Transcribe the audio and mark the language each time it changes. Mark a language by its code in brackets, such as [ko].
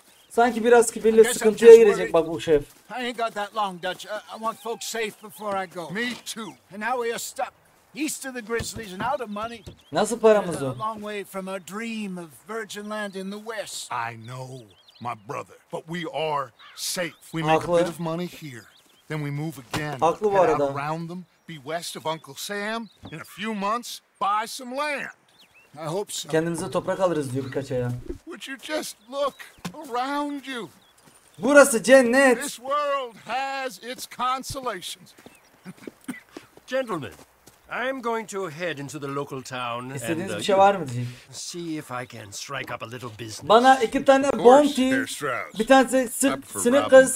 [tr] Sanki biraz kibirli, sıkıntıya girecek bak bu şef. [en] I ain't got that long, Dutch. I want folks safe before I go. Me too. And now we are stuck. east of the Grizzlies and out of money. [tr] Nasıl paramız o? [en] A long way from a dream of virgin land in the west. I know, my brother, but we are safe. We make a bit of money here, then we move again. [tr] Haklı bu arada. [en] Around them, be west of Uncle Sam. In a few months, buy some land. I hope so. [tr] Kendimize toprak alırız diyor birkaç aya. [en] Would you just look around you? [tr] Burası cennet. [en] This world has its consolations. Gentlemen, I'm going to head into the local town and see if I can strike up a little business. [tr] Bana iki tane bounty, bir tane sinek kız.